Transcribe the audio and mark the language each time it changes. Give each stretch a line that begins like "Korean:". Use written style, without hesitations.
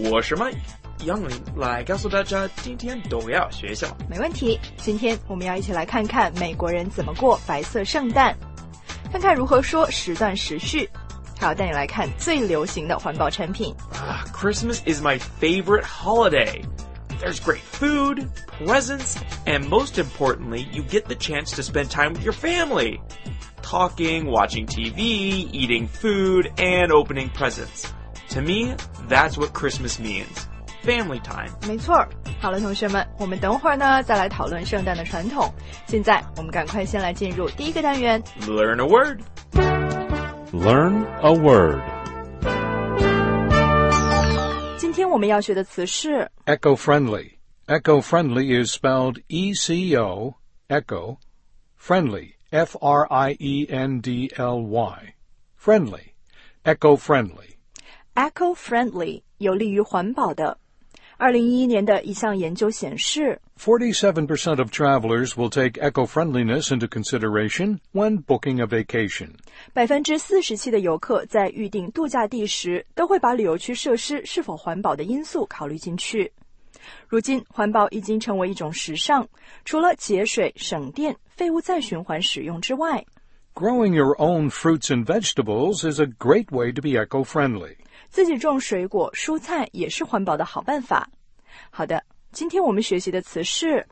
Chinese: 我是麦。杨林来告诉大家今天都要学什么。没问题，今天我们要一起来看看美国人怎么过白色圣诞，看看如何说时段时序，还要带你来看最流行的环保产品。
English: Christmas is my favorite holiday. There's great food, presents, and most importantly, you get the chance to spend time with your family. Talking, watching TV, eating food, and opening presents. To me, that's what Christmas means. Family time.
Chinese: 没错。好了，同学们，我们等会儿呢再来讨论圣诞的传统。现在我们赶快先来进入第一个单元。
English: Learn a word. Learn a word.
Chinese: 今天我们要学的词是
English: eco-friendly. Eco-friendly is spelled E-C-O, echo, friendly, F-R-I-E-N-D-L-Y. Friendly, eco-friendly.
Chinese: Eco-friendly, 有利于环保的。2011年的一项研究显示
English: 47% of travelers will take eco-friendliness into consideration when booking a vacation.
Chinese: 47% 的游客在预订度假地时都会把旅游区设施是否环保的因素考虑进去。如今环保已经成为一种时尚，除了节水、省电、废物再循环使用之外，
English: Growing your own fruits and vegetables is a great way to be eco-friendly.
Chinese: 自己种水果、蔬菜也是环保的好办法。好的，今天我们学习的词是